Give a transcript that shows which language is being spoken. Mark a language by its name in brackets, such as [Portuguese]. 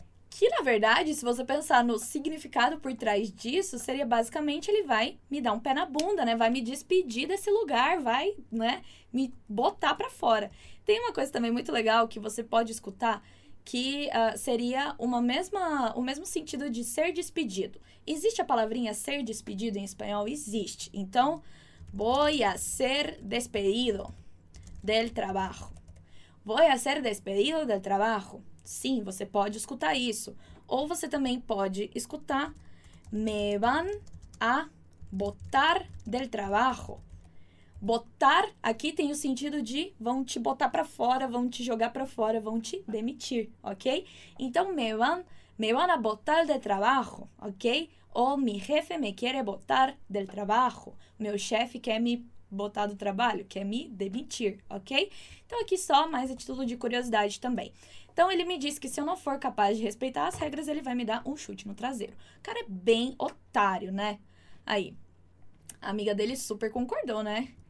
[Portuguese] Que, na verdade, se você pensar no significado por trás disso, seria basicamente ele vai me dar um pé na bunda, né? Vai me despedir desse lugar, vai, né, me botar pra fora. Tem uma coisa também muito legal que você pode escutar, que seria o mesmo sentido de ser despedido. Existe a palavrinha ser despedido em espanhol? Existe. [Spanish] Então, voy a ser despedido del trabajo. Voy a ser despedido del trabajo. [Portuguese] Sim, você pode escutar isso. Ou você também pode escutar [Spanish] me van a botar del trabajo. [Portuguese] Botar aqui tem o sentido de vão te botar para fora, vão te jogar para fora, vão te demitir, ok? [Spanish] Então, me van a botar de trabajo, ok? Ou mi jefe me quiere botar del trabajo. [Portuguese] Meu chefe quer me botar do trabalho, quer me demitir, ok? Então, aqui só mais a título de curiosidade também. Então, ele me disse que se eu não for capaz de respeitar as regras, ele vai me dar um chute no traseiro. O cara é bem otário, né? Aí, a amiga dele super concordou, né?